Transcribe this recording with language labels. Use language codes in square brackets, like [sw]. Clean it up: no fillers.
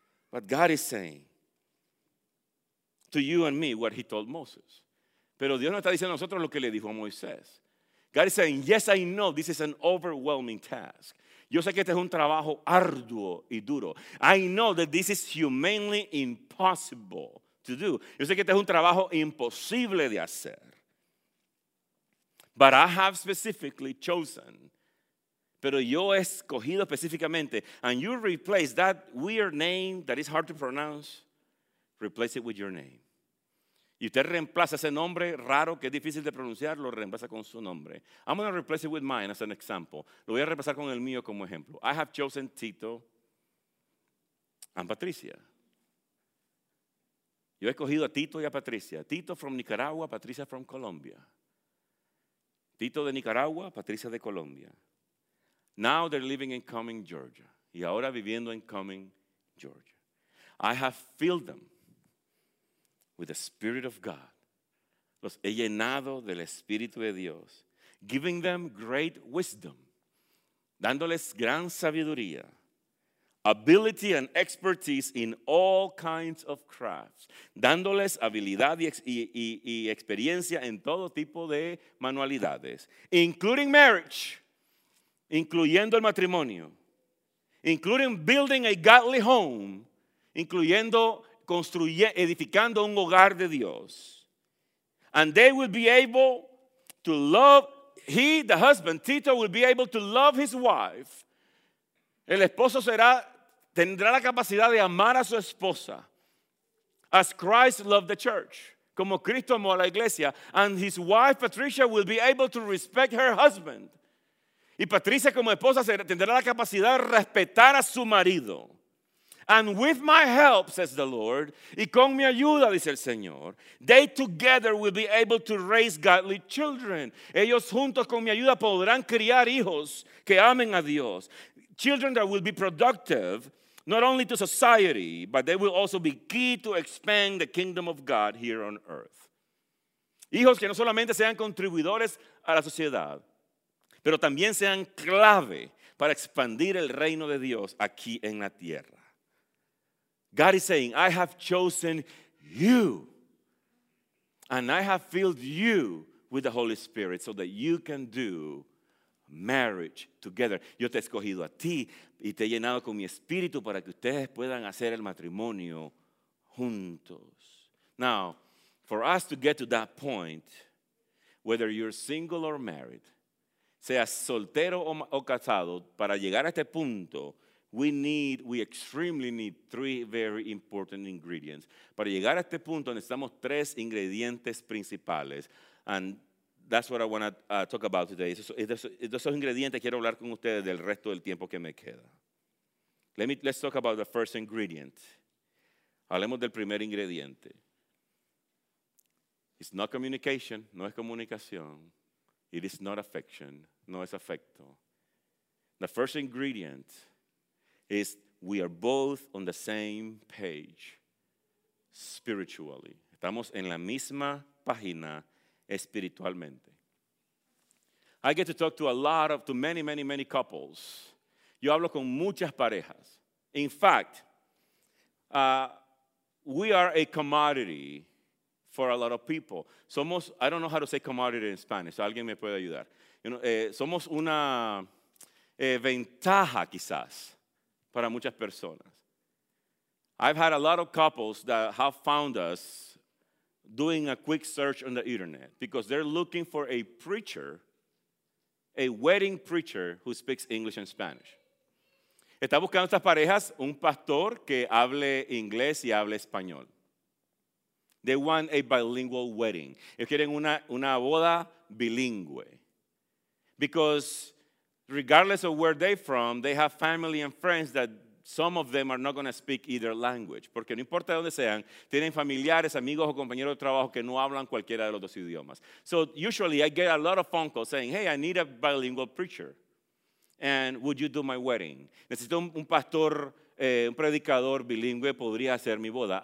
[en] But God is saying, to you and me, what he told Moses. [es] Pero Dios no está diciendo a nosotros lo que le dijo a Moisés. [en] God is saying, yes, I know this is an overwhelming task. [es] Yo sé que este es un trabajo arduo y duro. [en] I know that this is humanly impossible to do. [es] Yo sé que este es un trabajo imposible de hacer. [en] But I have specifically chosen. [es] Pero yo he escogido específicamente. [en] And you replace that weird name that is hard to pronounce. Replace it with your name. [es] Y usted reemplaza ese nombre raro que es difícil de pronunciar, lo reemplaza con su nombre. [en] I'm going to replace it with mine as an example. [es] Lo voy a reemplazar con el mío como ejemplo. [en] I have chosen Tito and Patricia. [es] Yo he escogido a Tito y a Patricia. [en] Tito from Nicaragua, Patricia from Colombia. [es] Tito de Nicaragua, Patricia de Colombia. [en] Now they're living in Cumming, Georgia. [es] Y ahora viviendo en Cumming, Georgia. [en] I have filled them with the Spirit of God. [es] Los he llenado del Espíritu de Dios. [en] Giving them great wisdom. [es] Dándoles gran sabiduría. [en] Ability and expertise in all kinds of crafts. [es] Dándoles habilidad y experiencia en todo tipo de manualidades. [en] Including marriage. [es] Incluyendo el matrimonio. [en] Including building a godly home. [es] Incluyendo edificando un hogar de Dios. [en] And they will be able to love, he, the husband, Tito, will be able to love his wife. [es] El esposo tendrá la capacidad de amar a su esposa. [en] As Christ loved the church. [es] Como Cristo amó a la iglesia. [en] And his wife, Patricia, will be able to respect her husband. [es] Y Patricia como esposa tendrá la capacidad de respetar a su marido. [en] And with my help, says the Lord, [es] y con mi ayuda, dice el Señor, [en] they together will be able to raise godly children. [es] Ellos juntos con mi ayuda podrán criar hijos que amen a Dios. [en] Children that will be productive, not only to society, but they will also be key to expand the kingdom of God here on earth. [es] Hijos que no solamente sean contribuidores a la sociedad, pero también sean clave para expandir el reino de Dios aquí en la tierra. [en] God is saying, I have chosen you and I have filled you with the Holy Spirit so that you can do marriage together. [es] Yo te he escogido a ti y te he llenado con mi espíritu para que ustedes puedan hacer el matrimonio juntos. [en] Now, for us to get to that point, whether you're single or married, [es] seas soltero o casado, para llegar a este punto, [en] we extremely need three very important ingredients. [es] Para llegar a este punto, necesitamos tres ingredientes principales. [en] And that's what I want to talk about today. [es] Esos ingredientes quiero hablar con ustedes del resto del tiempo que me queda. [en] Let's talk about the first ingredient. [es] Hablemos del primer ingrediente. [en] It's not communication, [es] no es comunicación. [en] It is not affection, [es] no es afecto. [en] The first ingredient is we are both on the same page spiritually. [es] Estamos en la misma página espiritualmente. [en] I get to talk to many couples. [es] Yo hablo con muchas parejas. [en] In fact, we are a commodity for a lot of people. [es] Somos, [en] I don't know how to say commodity in Spanish. [es] Alguien me puede ayudar. [en] You know, [es] somos una ventaja quizás para muchas personas. [en] I've had a lot of couples that have found us doing a quick search on the internet because they're looking for a preacher, a wedding preacher who speaks English and Spanish. [es] Está buscando estas parejas un pastor que hable inglés y hable español. [en] They want a bilingual wedding. [es] Ellos quieren una boda bilingüe. [en] Because regardless of where they're from, they have family and friends that some of them are not going to speak either language. [es] Porque no importa dónde sean, tienen familiares, amigos o compañeros de trabajo que no hablan cualquiera de los dos idiomas. [en] So usually I get a lot of phone calls saying, hey, I need a bilingual preacher. And would you do my wedding? [es] Necesito un pastor, un predicador bilingüe, podría hacer mi boda.